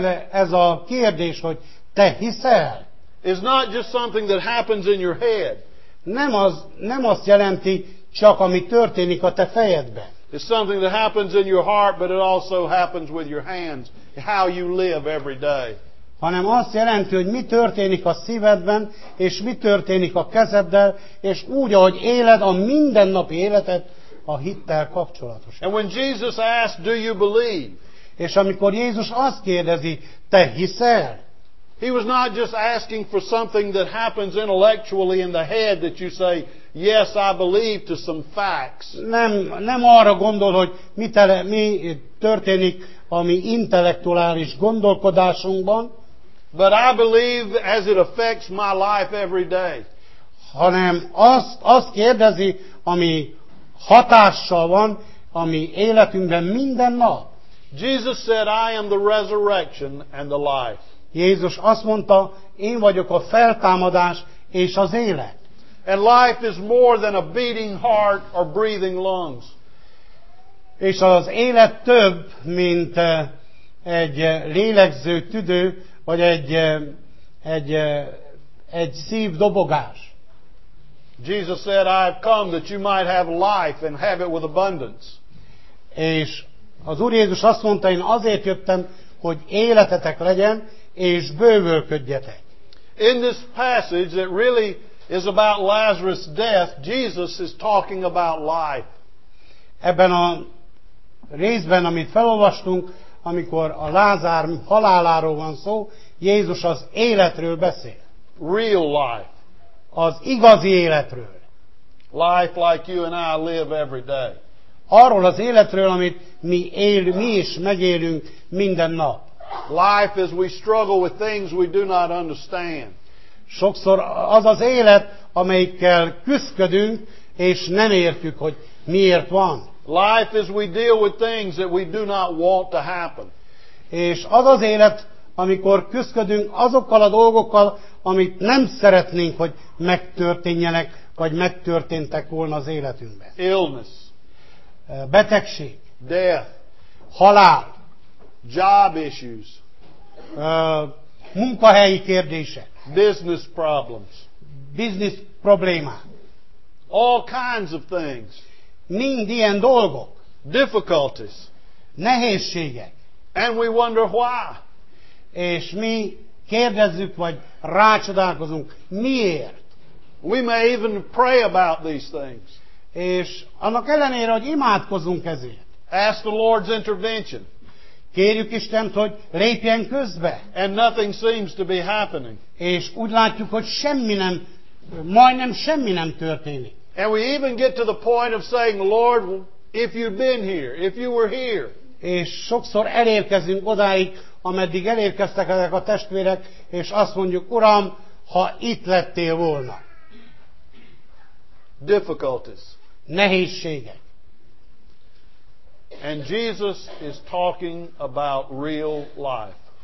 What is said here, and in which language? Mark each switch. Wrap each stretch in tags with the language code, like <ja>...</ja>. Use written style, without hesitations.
<hu>Ez a kérdés, hogy te hiszel?</hu> <en>Is not just something that happens in your head.</en> <hu>Nem azt jelenti csak, ami történik a te fejedben.</hu> <en>It's something that happens in your heart, but it also happens with your hands, how you live every day.</en> <hu>Hanem azt jelenti, hogy mi történik a szívedben, és mi történik a kezeddel, és úgy, ahogy éled a mindennapi életet a hittel kapcsolatos.</hu> <en>And when Jesus asked, do you believe?</en> <hu>És amikor Jézus azt kérdezi, te hiszel?</hu> <en>He was not just asking for something that happens intellectually in the head that you say, yes, I believe to some facts.</en> <hu>Nem arra gondol, hogy mi történik a mi intellektuális gondolkodásunkban.</hu> <en>But I believe as it affects my life every day.</en> <hu>Hanem azt kérdezi, ami hatással van a mi életünkben minden nap.</hu> <en>Jesus said, I am the resurrection and the life.</en> <hu>Jézus azt mondta, én vagyok a feltámadás és az élet.</hu> <en>And life is more than a beating heart or breathing lungs.</en> <hu>És az élet több, mint egy lélegző tüdő, vagy egy szív dobogás.</hu> <en>Jesus said, I have come that you might have life and have it with abundance.</en> <hu>És az Úr Jézus azt mondta, én azért jöttem, hogy életetek legyen, és bővölködjetek.</hu> <en>In this passage that really is about Lazarus' death, Jesus is talking about life.</en> <hu>Ebben a részben, amit felolvastunk, amikor a Lázár haláláról van szó, Jézus az életről beszél.</hu> <en>Real life.</en> <hu>Az igazi életről.</hu> <en>Life like you and I live every day.</en> <hu>Arról az életről, amit mi is megélünk minden nap.</hu> <en>Life as we struggle with things we do not understand.</en> <hu>Sokszor az az élet, amelyikkel küszködünk, és nem értjük, hogy miért van.</hu> <en>Life as we deal with things that we do not want to happen.</en> <hu>És az az élet, amikor küszködünk azokkal a dolgokkal, amit nem szeretnénk, hogy megtörténjenek, vagy megtörténtek volna az életünkben.</hu> <en>Illness.</en> <hu>Betegség.</hu> <en>Death.</en> <hu>Halál.</hu> <en>Job issues.</en> <hu>Munkahelyi kérdése.</hu> <en>Business problems.</en> <hu>Business probléma.</hu> <en>All kinds of things.</en> <hu>Mind ilyen dolgok.</hu> <en>Difficulties.</en> <hu>Nehézségek.</hu> <en>And we wonder why.</en> <hu>És mi kérdezzük, vagy rácsodálkozunk, miért?</hu> <en>We may even pray about these things.</en> <hu>És annak ellenére, hogy imádkozunk ezért.</hu> <en>Ask the Lord's intervention.</en> <hu>Kérjük Istent, hogy lépjen közbe.</hu> <en>And nothing seems to be happening.</en> <hu>És úgy látjuk, hogy majdnem semmi nem történik.</hu> <en>And we even get to the point of saying, Lord, if you'd been here, if you were here.</en> <hu>És sokszor elérkezünk odáig, ameddig elérkeztek ezek a testvérek, és azt mondjuk, Uram, ha itt lettél volna.</hu> <en>Difficulties.</en> <hu>Nehézségek.</hu> <en>And Jesus is talking about real life.</en>